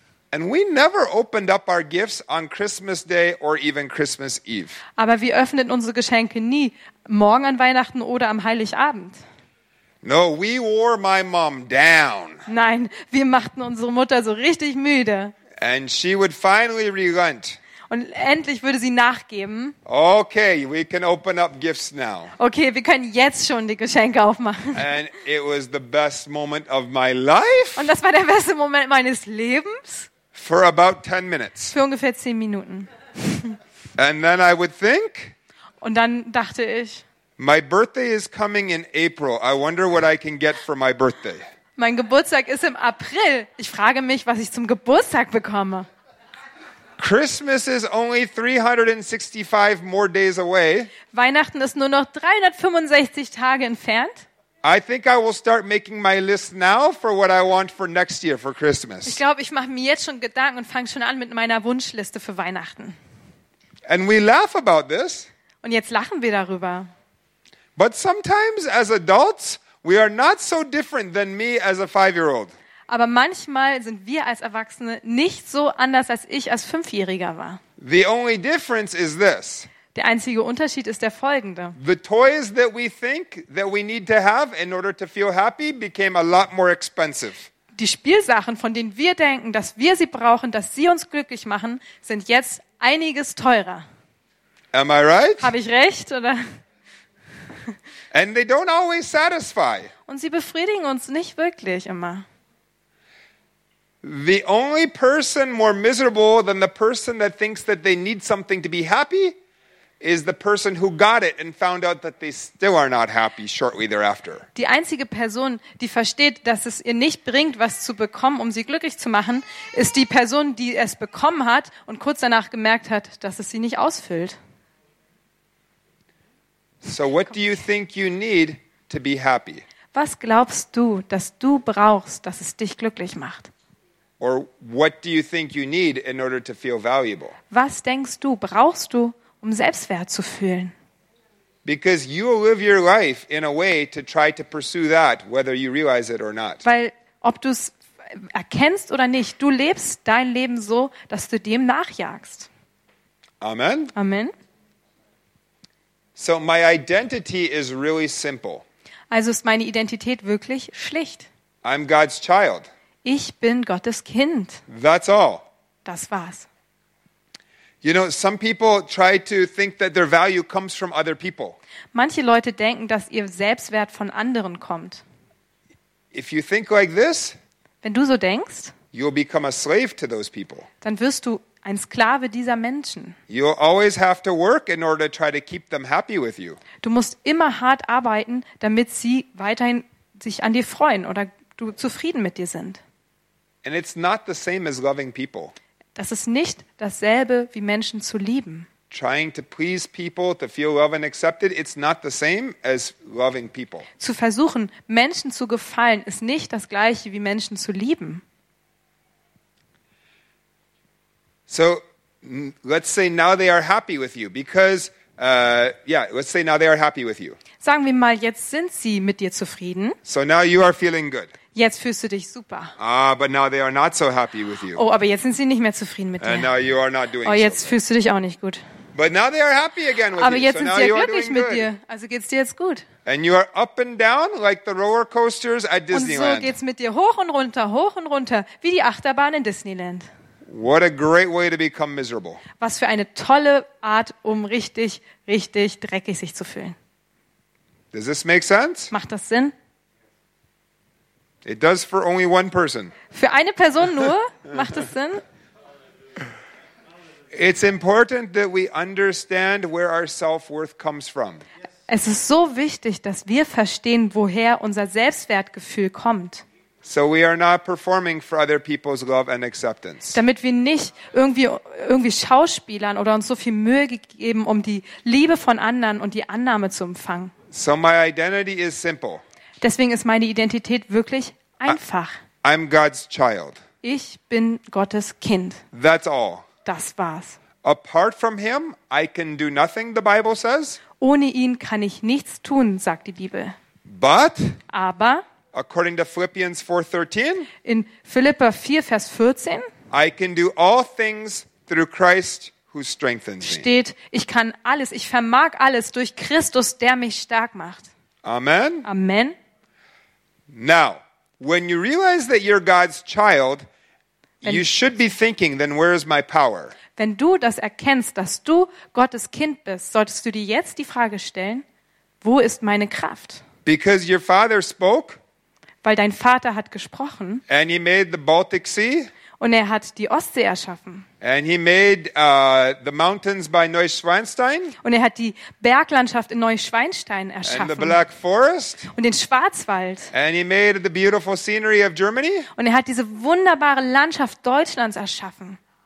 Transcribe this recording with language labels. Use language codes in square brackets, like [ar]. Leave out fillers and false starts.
[en] And we never opened up our gifts on Christmas Day or even Christmas Eve. [de] Aber wir öffneten unsere Geschenke nie morgen an Weihnachten oder am Heiligabend. [en] No, we wore my mom down. [de] Nein, wir machten unsere Mutter so richtig müde. [en] And she would finally relent. [de] Und endlich würde sie nachgeben. [en] Okay, we can open up gifts now. [de] Okay, wir können jetzt schon die Geschenke aufmachen. [en] And it was the best moment of my life. [de] Und das war der beste Moment meines Lebens. [en] For about 10 minutes. [de] Für ungefähr 10 Minuten. [en] And then I would think. [de] Und dann dachte ich. [en] My birthday is coming in April. I wonder what I can get for my birthday. [de] Mein Geburtstag ist im April. Ich frage mich, was ich zum Geburtstag bekomme. [en] Christmas is only 365 more days away. [de] Weihnachten ist nur noch 365 Tage entfernt. [en] I think I will start making my list now for what I want for next year for Christmas. [de] Ich glaube, ich mache mir jetzt schon Gedanken und fange schon an mit meiner Wunschliste für Weihnachten. [en] And we laugh about this. [de] Und jetzt lachen wir darüber. [en] But sometimes as adults we are not so different than me as a 5-year-old. [de] Aber manchmal sind wir als Erwachsene nicht so anders als ich als 5-Jähriger war. [en] The only difference is this. [de] Der einzige Unterschied ist der folgende. [en] The toys that we think that we need to have in order to feel happy became a lot more expensive. [de] Die Spielsachen, von denen wir denken, dass wir sie brauchen, dass sie uns glücklich machen, sind jetzt einiges teurer. [en] Am I right? [de] Habe ich recht oder? [en] And they don't always satisfy. [de] Und sie befriedigen uns nicht wirklich immer. [en] The only person more miserable than the person that thinks that they need something to be happy is the person who got it and found out that they still are not happy shortly thereafter. [de] Die einzige Person, die versteht, dass es ihr nicht bringt, was zu bekommen, um sie glücklich zu machen, ist die Person, die es bekommen hat und kurz danach gemerkt hat, dass es sie nicht ausfüllt. [en] So what do you think you need to be happy? [de] Was glaubst du, dass du brauchst, dass es dich glücklich macht? [en] Or what do you think you need in order to feel valuable? [de] Was denkst du, brauchst du, um Selbstwert zu fühlen? [en] Because you will live your life in a way to try to pursue that, whether you realize it or not. [de] Weil ob du es erkennst oder nicht, du lebst dein Leben so, dass du dem nachjagst. [en] Amen. [de] Amen. [en] So my identity is really simple. [de] Also ist meine Identität wirklich schlicht. [en] I'm God's child. [de] Ich bin Gottes Kind. [en] That's all. [de] Das war's. [en] You know, some people try to think that their value comes from other people. [de] Manche Leute denken, dass ihr Selbstwert von anderen kommt. [en] If you think like this, [de] wenn du so denkst, [en] you'll become a slave to those people. [de] Dann wirst du ein Sklave dieser Menschen. [en] You'll always have to work in order to try to keep them happy with you. [de] Du musst immer hart arbeiten, damit sie weiterhin sich an dir freuen oder du zufrieden mit dir sind. [en] And it's not the same as loving people. [de] Das ist nicht dasselbe wie Menschen zu lieben. [en] Trying to please people, to feel loved and accepted, it's not the same as loving people. [de] Zu versuchen, Menschen zu gefallen, ist nicht das gleiche wie Menschen zu lieben. [en] So let's say now they are happy with you because let's say now they are happy with you. [de] Sagen wir mal, jetzt sind sie mit dir zufrieden. [en] So now you are feeling good. [de] Jetzt fühlst du dich super. [en] Ah, but now they are not so happy with you. [de] Oh, aber jetzt sind sie nicht mehr zufrieden mit dir. [en] And now you are not doing [de] oh, jetzt so fühlst du dich auch nicht gut. [en] But now they are happy again with [de] aber [en] you. [de] Jetzt so sind sie ja glücklich mit dir. Also geht's dir jetzt gut. [en] And you are up and down like the roller coasters at Disneyland. [de] Und so geht's mit dir hoch und runter, wie die Achterbahn in Disneyland. [en] What a great way to become miserable. [de] Was für eine tolle Art, um richtig, richtig dreckig sich zu fühlen. [en] Does this make sense? [de] Macht das Sinn? [en] It does for only one person. [de] Für eine Person nur? Macht das Sinn? [en] It's important that we understand where our self-worth comes from. [de] Es ist so wichtig, dass wir verstehen, woher unser Selbstwertgefühl kommt. [en] So we are not performing for other people's love and acceptance. [de] Damit wir nicht irgendwie Schauspielern oder uns so viel Mühe gegeben, um die Liebe von anderen und die Annahme zu empfangen. [en] So my identity is simple. [de] Deswegen ist meine Identität wirklich einfach. [en] I'm God's child. [de] Ich bin Gottes Kind. [en] That's all. [de] Das war's. [en] Apart from him, I can do nothing, the Bible says. [de] Ohne ihn kann ich nichts tun, sagt die Bibel. [en] But, [de] aber, [en] according to Philippians 4:13, [de] in Philipper 4, Vers 14, [en] I can do all things through Christ who strengthens me. [de] Steht, ich kann alles, ich vermag alles durch Christus, der mich stark macht. [en] Amen. [de] Amen. [en] Now, when you realize that you're God's child, you should be thinking, then where is my power? [de] Wenn du das erkennst, dass du Gottes Kind bist, solltest du dir jetzt die Frage stellen, wo ist meine Kraft? [en] Because your father spoke. [de] Weil dein Vater hat gesprochen. [en] And he made the Baltic Sea. [de] Und er hat die Ostsee erschaffen. [en] And he made the mountains by Neuschwanstein. [de] Und er hat die Berglandschaft in Neuschwanstein erschaffen. [en] And the Black Forest. [de] Und den Schwarzwald. [en] And he made the beautiful scenery of Germany. [de] Und er hat diese wunderbare Landschaft Deutschlands erschaffen.